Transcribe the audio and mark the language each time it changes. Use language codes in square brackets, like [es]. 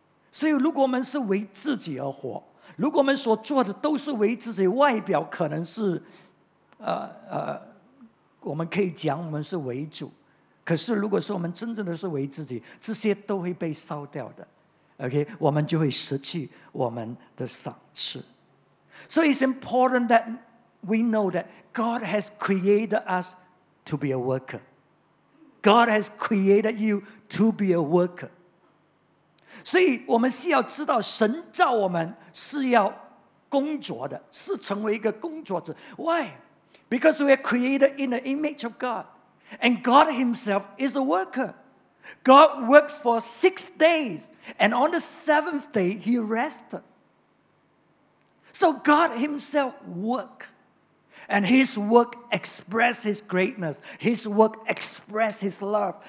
[zh] 所以如果我们是为自己而活，如果我们所做的都是为自己，外表可能是我们可以讲我们是为主，可是如果说我们真正的是为自己，这些都会被烧掉的。OK， 我们就会失去我们的赏赐。 [en] So it's important that we know that God has created us to be a worker. God has created you to be a worker. [zh] 所以我们是要知道神造我们是要工作的，是成为一个工作者。 [en] Why? Because we are created in the image of God. And God himself is a worker. God works for 6 days. And on the seventh day, he rested. So God himself worked. And his work expressed his greatness. His work expressed his love.